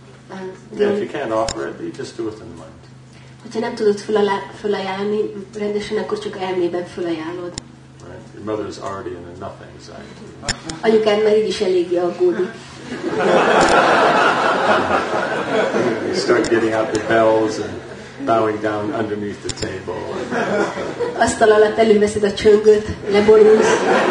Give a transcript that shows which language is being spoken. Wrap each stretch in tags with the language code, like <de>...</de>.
<en>And yeah, if you can't offer it, you just do it in the mind.</en> <hu>Hogyha nem tudod felajánlani rendesen, akkor csak elmében felajánlod.</hu> <en>Your mother is already in enough anxiety.</en> <hu>Anyukád már így is eléggé aggódik.</hu> <en>You start getting out the bells and bowing down underneath the table.</en> <hu>Asztal alatt előveszed a csöngöt, leborulsz.</hu>